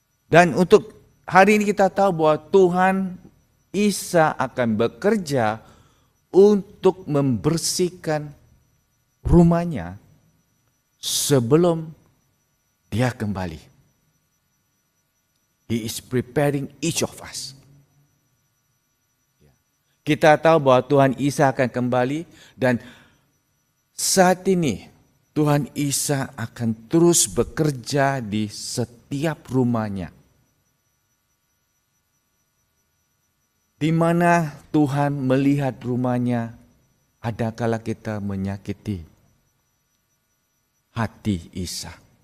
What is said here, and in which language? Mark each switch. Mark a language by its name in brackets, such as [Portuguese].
[Indonesian] Dan untuk hari ini kita tahu bahwa Tuhan Isa akan bekerja untuk membersihkan rumahnya sebelum dia kembali. [English] He is preparing each of us. [Indonesian] Kita tahu bahwa Tuhan Isa akan kembali dan saat ini Tuhan Isa akan terus bekerja di setiap rumahnya. Di mana Tuhan melihat rumahnya, adakala kita menyakiti hati Isa.